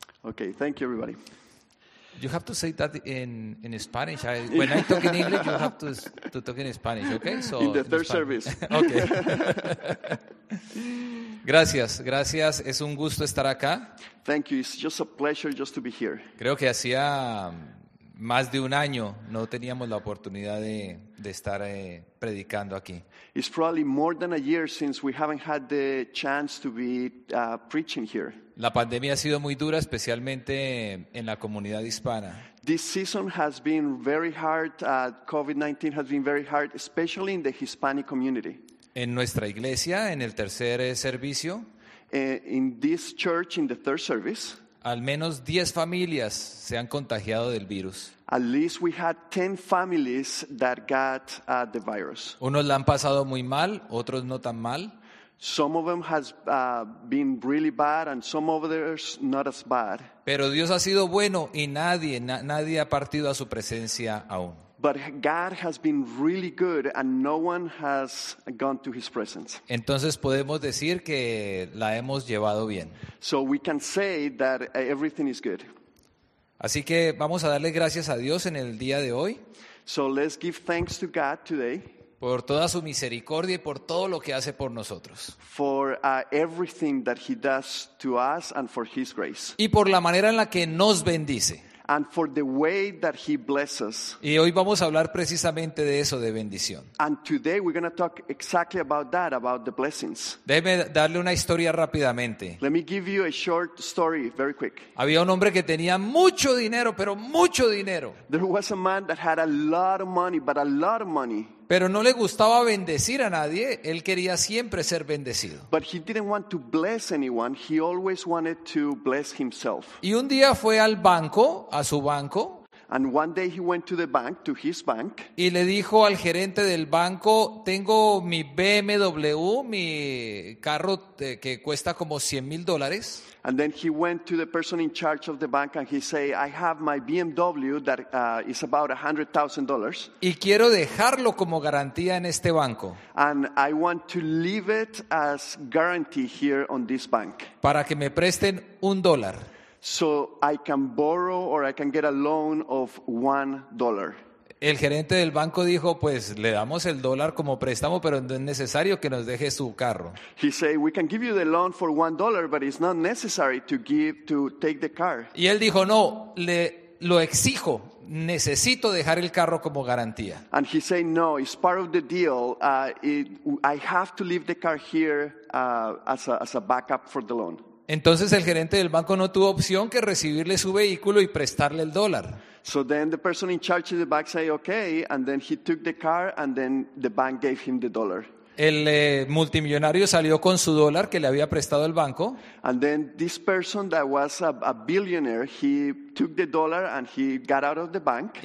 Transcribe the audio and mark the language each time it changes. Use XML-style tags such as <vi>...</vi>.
<en>Okay. Thank you, everybody. You have to say that in Spanish. When I talk in English, you have to talk in Spanish, okay? So in the third Spanish. Service.</en> <es>Okay. Gracias, gracias. Es un gusto estar acá.</es> <en>Thank you. It's just a pleasure just to be here.</en> <es>Creo que hacía más de un año no teníamos la oportunidad de estar predicando aquí.</es> <en>It's probably more than a year since we haven't had the chance to be preaching here.</en> <es>La pandemia ha sido muy dura, especialmente en la comunidad hispana.</es> <en>This season has been very hard. COVID-19 has been very hard, especially in the Hispanic community.</en> <es>En nuestra iglesia, en el tercer servicio.</es> <en>In this church, in the third service.</en> <es>Al menos 10 familias se han contagiado del virus.</es> <en>At least we had 10 families that got the virus.</en> <es>Unos la han pasado muy mal, otros no tan mal.</es> <en>Some of them has been really bad and some others not as bad.</en> <es>Pero Dios ha sido bueno y nadie ha partido a su presencia aún.</es> <en>But God has been really good and no one has gone to his presence.</en> <es>Entonces podemos decir que la hemos llevado bien.</es> <en>So we can say that everything is good.</en> <es>Así que vamos a darle gracias a Dios en el día de hoy.</es> <en>So let's give thanks to God today.</en> <es>Por toda su misericordia y por todo lo que hace por nosotros.</es> <en>For everything that he does to us and for his grace.</en> <es>Y por la manera en la que nos bendice.</es> <en>And for the way that he blesses.</en> <es>Y hoy vamos a hablar precisamente de eso, de bendición.</es> <en>And today we're going to talk exactly about that, about the blessings.</en> <es>Déjeme darle una historia rápidamente.</es> <en>Let me give you a short story, very quick.</en> <es>Había un hombre que tenía mucho dinero, pero mucho dinero.</es> <en>There was a man that had a lot of money, but a lot of money.</en> <es>Pero no le gustaba bendecir a nadie, él quería siempre ser bendecido.</es> <en>But he didn't want to bless anyone, he always wanted to bless himself.</en> <es>Y un día fue al banco, a su banco.</es> <en>And one day he went to the bank, to his bank.</en> <es>Y le dijo al gerente del banco, tengo mi BMW, mi carro que cuesta como $100,000.</es> <en>And then he went to the person in charge of the bank and he said, I have my BMW that is about $100,000.</en> <es>Y quiero dejarlo como garantía en este banco.</es> <en>And I want to leave it as guarantee here on this bank.</en> <es>Para que me presten un dólar.</es> <en>So I can borrow or I can get a loan of $1.</en> <es>El gerente del banco dijo, pues le damos el dólar como préstamo, pero no es necesario que nos deje su carro.</es> <en>He said, we can give you the loan for $1, but it's not necessary to take the car.</en> <es>Y él dijo, no, lo exijo, necesito dejar el carro como garantía.</es> <en>And he said, no, it's part of the deal. I have to leave the car here as a backup for the loan.</en> <es>Entonces el gerente del banco no tuvo opción que recibirle su vehículo y prestarle el dólar.</es> <en>So then the person in charge of the bank said okay, and then he took the car, and then the bank gave him the dollar.</en> <es>El multimillonario salió con su dólar que le había prestado el banco.</es> <en>And then this person that was a billionaire, he took the dollar and he got out of the bank.</en>